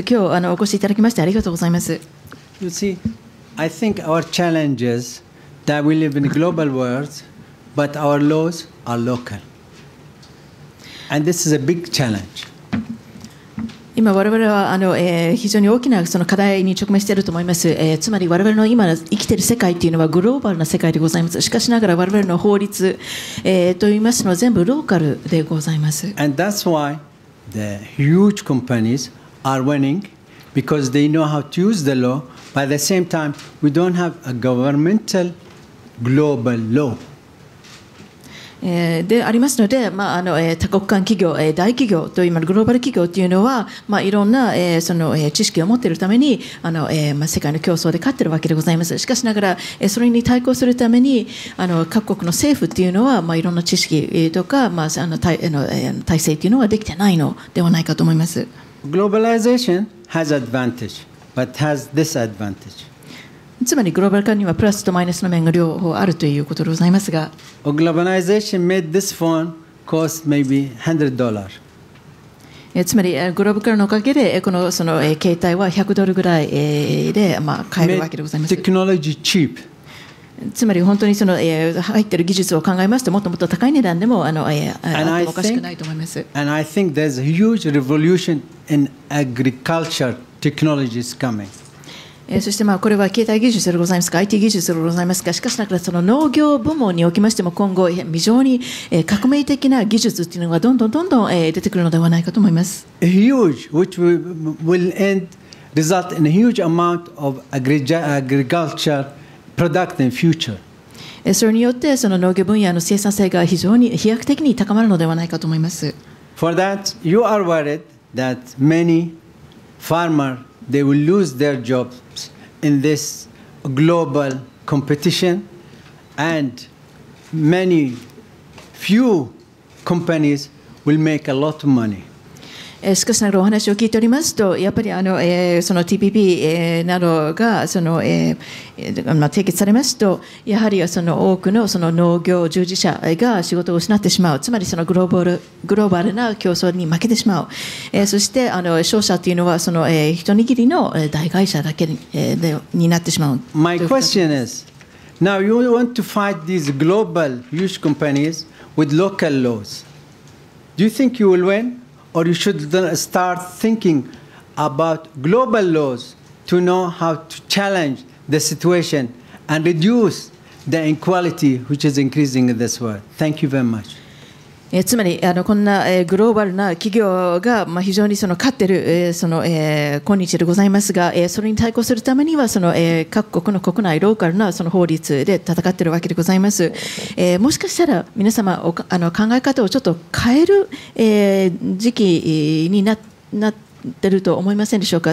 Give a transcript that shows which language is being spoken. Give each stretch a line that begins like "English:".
Japanese: 今日あのお越しいただきましてありがとうございます。
English: You see, I think our challenge is that we live in a global world, but our laws are local. And this is a big challenge.
Japanese: 今我々はあの、非常に大きなその課題に直面していると思います、つまり我々の今生きている世界というのはグローバルな世界でございますしかしながら我々の法律、といいますのは全部ローカルでございます
English: And that's why the huge companies are winning because they know how to use the law by the same time we don't have a governmental global law
Japanese: でありますので、まああの多国間企業、大企業と今のグローバル企業というのは、まあ、いろんな、その知識を持っているためにあの、まあ、世界の競争で勝っているわけでございます。しかしながら、それに対抗するためにあの各国の政府というのは、まあ、いろんな知識とか、まあ、あの 体制というのはできていないのではないかと思います。
English: Globalization has advantage, but has disadvantage.
Japanese: つまりグローバル化にはプラスとマイナスの面が両方あるということでございますが
English: Globalization made this phone cost maybe $100.
Japanese: つまりグローバル化のおかげでこの、その携帯は100ドルぐらいで、まあ、買えるわけでございます
English: made technology cheap.
Japanese: つまり本当にその入っている技術を考えますともっともっと高い値段でもあの、あってもおかしくないと思います
English: And I think there's a huge revolution in agriculture technologies coming
Japanese: そしてまあこれは携帯技術でございますか IT 技術でございますかしかしながらその農業部門におきましても今後非常に革命的な技術というのがどんどんどんどん出てくるのではないかと思います
English: huge which will end result in a huge amount of agriculture product in future
Japanese: それによってその農業分野の生産性が非常に飛躍的に高まるのではないかと思います
English: for that you are worried that many farmers they will lose their jobsin this global competition and many few companies will make a lot of money.
Japanese: しかしながらお話を聞いておりますと、やっぱりあの、その TPP、などがその、まあ、締結されますと、やはりその多くの、 その農業従事者が仕事を失ってしまう、つまりそのグローバルな競争に負けてしまう、そしてあの商社というのはその、一握りの大会社だけ になってしまう。
English: My question is, now you want to fight these global huge companies with local laws. Do you think you will win? Or you should start thinking about global laws to know how to challenge the situation and reduce the inequality which is increasing in this world. Thank you very much.
Japanese: つまりあのこんな、グローバルな企業が、まあ、非常にその勝ってる、その、今日でございますが、それに対抗するためにはその、各国の国内ローカルなその法律で戦ってるわけでございます、もしかしたら皆様あの考え方をちょっと変える、時期に なってると思いませんでしょうか。